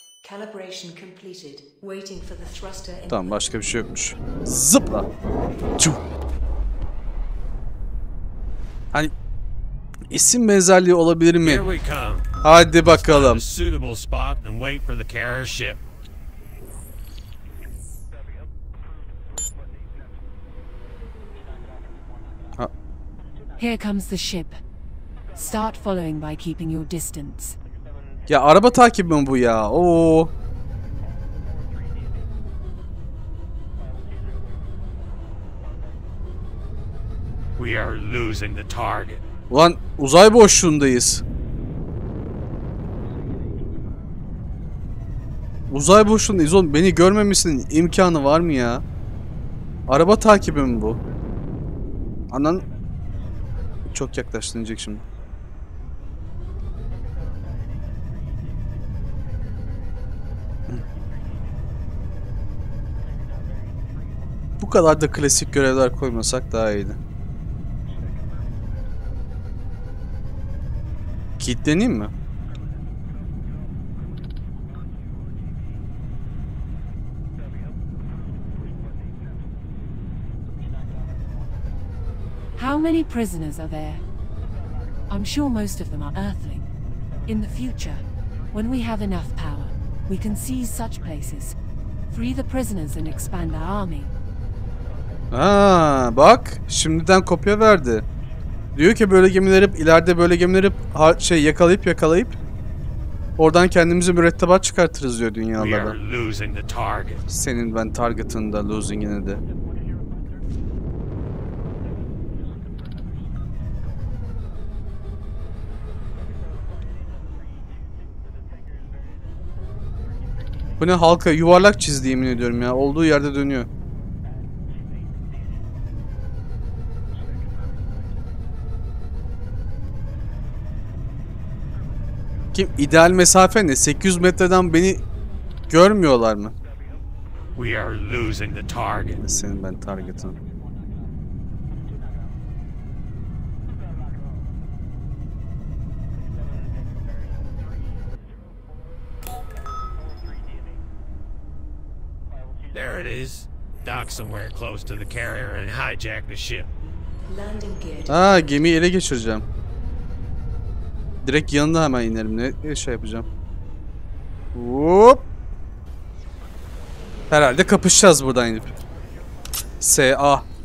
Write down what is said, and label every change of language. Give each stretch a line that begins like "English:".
English: Calibration completed. Waiting for the thruster.
Turkish: Tamam, başka bir şey yokmuş. Zıpla. Çuh. Hani isim benzerliği olabilir mi? Hadi bakalım.
English: Suitable spot and wait for the carrier ship. Here comes the ship. Start following by keeping your distance.
Turkish: Ya araba takibi mi bu ya? Oo.
English: We are losing the target.
Turkish: Ulan uzay boşluğundayız. Uzay boşluğundayız oğlum. Beni görmemişsin imkanı var mı ya? Araba takibi mi bu? Anan çok yaklaştıracak şimdi. Bu kadar da klasik görevler koymasak daha iyiydi. Kilitleneyim mi?
English: How many prisoners are there? I'm sure most of them are Earthling. In the future, when we have enough power, we can seize such places, free the prisoners and expand our army.
Turkish: Aa, bak, şimdiden kopya verdi. Diyor ki böyle gemileri ileride böyle gemileri yakalayıp oradan kendimize mürettebat çıkartırız diyor dünyalara. Senin ben target'ın da losing'ini de. Bu ne halka yuvarlak çizdi yemin ediyorum ya. Olduğu yerde dönüyor. Kim ideal mesafe ne? 800 metreden beni görmüyorlar mı?
English: We are losing the target.
Turkish: Senin ben target'ım.
English: There it is. Dock somewhere close to the carrier and hijack the ship. Landing gear.
Turkish: Aa, gemiyi ele geçireceğim. Direkt yanına hemen inerim. Ne şey yapacağım? Hop. Herhalde kapışacağız buradan inip. S.A.